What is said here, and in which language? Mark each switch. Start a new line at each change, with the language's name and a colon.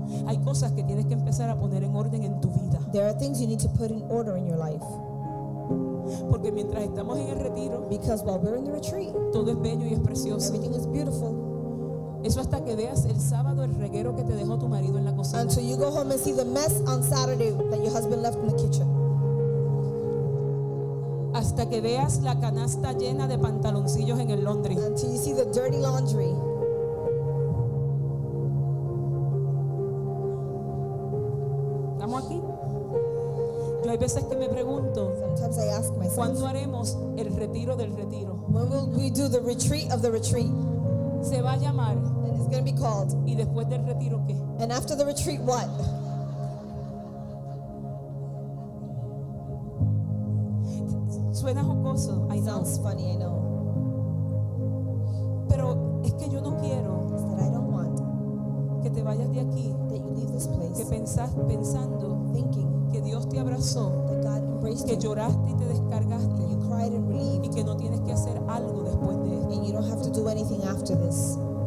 Spanish: hay cosas que tienes que empezar a poner en orden en tu vida.
English: There are things you need to put in order in your life.
Spanish: Porque mientras estamos en el retiro,
English: because while we're in the retreat,
Spanish: todo es bello y es precioso.
English: Everything is beautiful.
Spanish: Eso hasta que veas el sábado el reguero que te dejó tu marido en la cocina.
English: Until you go home and see the mess on Saturday that your husband left in the kitchen.
Spanish: Hasta que veas la canasta llena de pantaloncillos en el laundry.
English: Until you see the dirty laundry.
Spanish: ¿Estamos aquí? Yo hay veces que me pregunto,
English: sometimes I ask myself,
Spanish: ¿cuándo haremos el retiro del retiro?
English: When will we do the retreat of the retreat?
Spanish: Se va a llamar.
English: And it's going to be called.
Spanish: ¿Y después del retiro qué?
English: And after the retreat what?
Spanish: Suena jocoso.
English: I know. Sounds funny, I know.
Spanish: Pero es que yo no quiero.
English: It's that I don't want.
Spanish: Que te vayas de aquí.
English: That you leave this place.
Spanish: Que pensás pensando.
English: Thinking.
Spanish: Que Dios te abrazó.
English: That God embraced you.
Spanish: Que lloraste y te descargaste.
English: You cried and relieved.
Spanish: Y que no tienes que hacer algo después de esto.
English: And you don't have to do anything after this.